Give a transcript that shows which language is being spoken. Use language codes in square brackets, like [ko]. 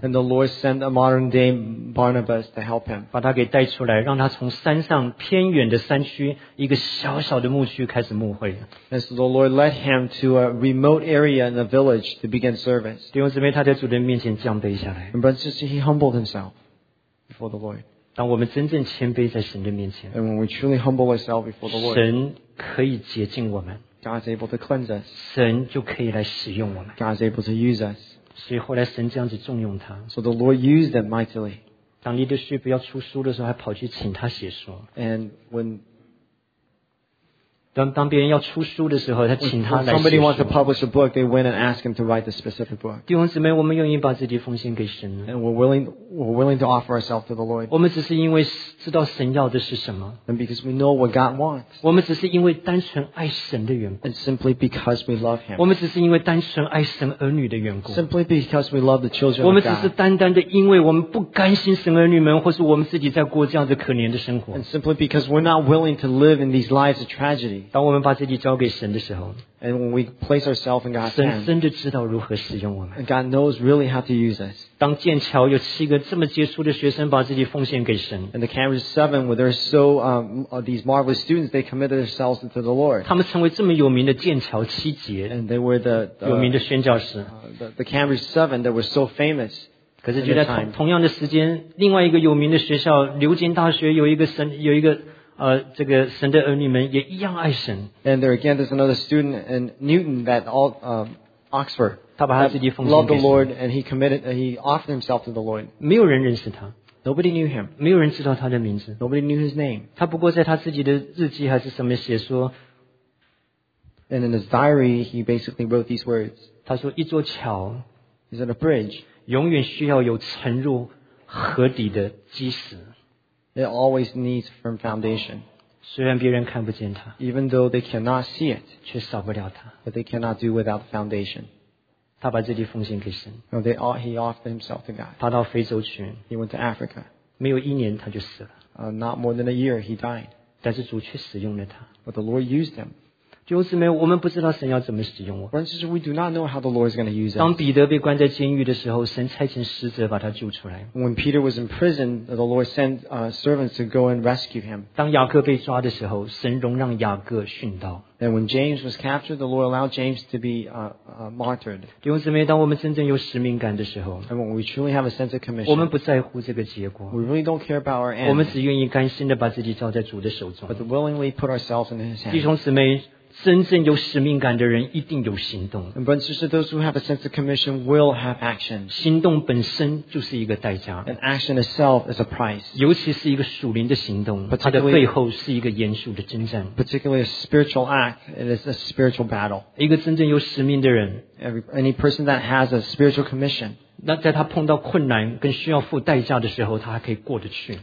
[en] And the Lord sent a modern day Barnabas to help him. [zh] 把他给带出来，让他从山上偏远的山区一个小小的牧区开始牧会。 [en] And so the Lord led him to a remote area in a village to begin service. [zh] 弟兄姊妹，他在主的面前降卑下来。 [en] And brothers, he humbled himself before the Lord. [zh] 当我们真正谦卑在神的面前， [en] And when we truly humble ourselves before the Lord, [zh] 神可以洁净我们， [en] God's able to cleanse us, [zh] 神就可以来使用我们， [en] God's able to use us. [zh] 所以后来神这样子重用他， [en] So the Lord used them mightily. [zh] 当利德叙不要出书的时候，还跑去请他写书。 [en] And when [zh] 当别人要出书的时候，他请他来写书。 [en] When somebody wants to publish a book, they went and asked him to write the specific book. [zh] 弟兄姊妹，我们愿意把自己奉献给神。 [en] And we're willing to offer ourselves to the Lord. [zh] 我们只是因为知道神要的是什么。 [en] And because we know what God wants. [zh] 我们只是因为单纯爱神的缘故。 [en] And simply because we love Him. [zh] 我们只是因为单纯爱神儿女的缘故。 [en] Simply because we love the children of [zh] God. 我们只是单单的因为我们不甘心神儿女们，或是我们自己在过这样的可怜的生活。 [en] And simply because we're not willing to live in these lives of tragedy. [zh] 当我们把自己交给神的时候， [en] And when we place ourselves in God's hand, [zh] 神真的知道如何使用我们。 [en] And God knows really how to use us. [zh] 当剑桥有七个这么杰出的学生把自己奉献给神， [en] And the Cambridge Seven, where there are so these marvelous students, they committed themselves to the Lord. [zh] 他们成为这么有名的剑桥七杰， [en] And they were the [zh] 有名的宣教士。 [en] The Cambridge Seven that were so famous. [zh] 可是就在同样的时间，另外一个有名的学校牛津大学有一个。这个神的儿女们也一样爱神。 [en] And there again, there's another student in Newton that all Oxford. [zh] 他把他自己奉献给神。 [en] Loved the Lord and he offered himself to the Lord. [zh] 没有人认识他。 [en] Nobody knew him. [zh] 没有人知道他的名字。 [en] Nobody knew his name. [zh] 他不过在他自己的日记还是什么写说。 [en] And in his diary, he basically wrote these words. [zh] 他说一座桥。 [en] Is it a bridge? [zh] 永远需要有沉入河底的基石。 [en] It always needs a firm foundation. [zh] 虽然别人看不见它， [en] Even though they cannot see it, [zh] 却少不了它， [en] But they cannot do without the foundation. [zh] 他把自己奉献给神。 [en] No, they all, he offered himself to God. [zh] 他到非洲去。 [en] He went to Africa. [zh] 没有一年他就死了。 [en] Not more than a year, he died. [zh] 但是主却使用了他。 [en] But the Lord used him. [zh] 弟兄姊妹，我们不知道神要怎么使用我。 [en] Brothers and sisters, we do not know how the Lord is going to use us. [zh] 当彼得被关在监狱的时候，神差遣使者把他救出来。 [en] When Peter was in prison, the Lord sent servants to go and rescue him. [zh] 当雅各被抓的时候，神容让雅各殉道。 [en] And when James was captured, the Lord allowed James to be martyred. [zh] 弟兄姊妹，当我们真正有使命感的时候， [en] and when we truly have a sense of commission, [zh] 我们不在乎这个结果。 [en] We really don't care about our end. [zh] 我们只愿意甘心地把自己交在主的手中。 [en] But willingly put ourselves in His hand. [zh] 弟兄姊妹，真正有使命感的人一定有行动。 [en] And brothers and sisters, those who have a sense of commission will have action. [zh] 行动本身就是一个代价。 [en] And action itself is a price. [zh] 尤其是一个属灵的行动，它的背后是一个严肃的征战。 [en] Particularly a spiritual act, it is a spiritual battle. [zh] 一个真正有使命的人， [en] any person that has a spiritual commission. [zh] 那在他碰到困难跟需要付代价的时候，他还可以过得去。